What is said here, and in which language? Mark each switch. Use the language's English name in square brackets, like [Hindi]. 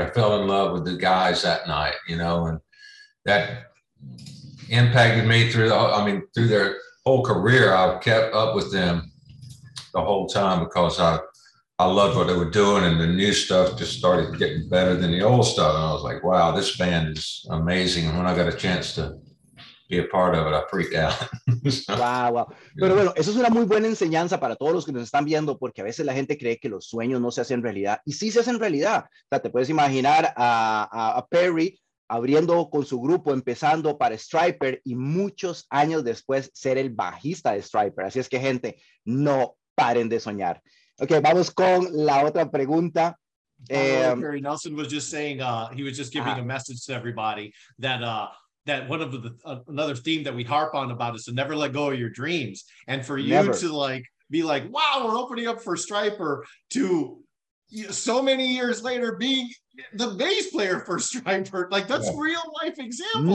[English] I fell in love with the guys that night, you know, and that impacted me through their whole career. I've kept up with them the whole time because I loved what they were doing, and the new stuff just started getting better than the old stuff. And I was like, wow, this band is amazing. And when I got a chance to be a part of it, I freaked out. Wow, wow. [Spanish] Pero bueno, eso es una muy buena enseñanza para todos los que nos están viendo, porque a veces la gente cree que los sueños no se hacen realidad, y sí se hacen realidad. O sea, te puedes imaginar a Perry abriendo con su grupo, empezando para Stryper, y muchos años después ser el bajista de Stryper. Así es que, gente, no paren de soñar. Ok, vamos con la otra pregunta. [English] Perry Nelson was just saying, he was just giving a message to everybody that that one of the another theme that we harp on about is to never let go of your dreams. And for you to like be like, wow, we're opening up for Stryper, to so many years later being the bass player for Stryper, like that's real life example.